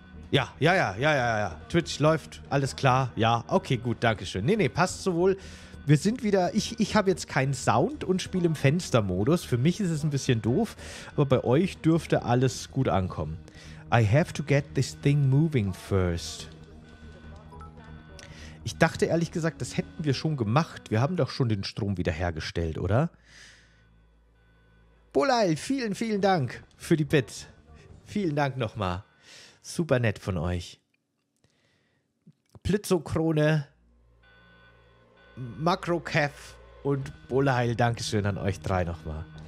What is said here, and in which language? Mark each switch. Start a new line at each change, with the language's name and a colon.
German: Ja. Twitch läuft. Alles klar. Ja, okay, gut. Dankeschön. Nee, passt so wohl. Wir sind wieder... Ich habe jetzt keinen Sound und spiele im Fenstermodus. Für mich ist es ein bisschen doof, aber bei euch dürfte alles gut ankommen.
English: I have to get this thing moving first.
German: Ich dachte ehrlich gesagt, das hätten wir schon gemacht. Wir haben doch schon den Strom wiederhergestellt, oder? Bulal, vielen, vielen Dank für die Bits. Vielen Dank nochmal. Super nett von euch. Blitzokrone, Makrokev und Bulal, Dankeschön an euch drei nochmal.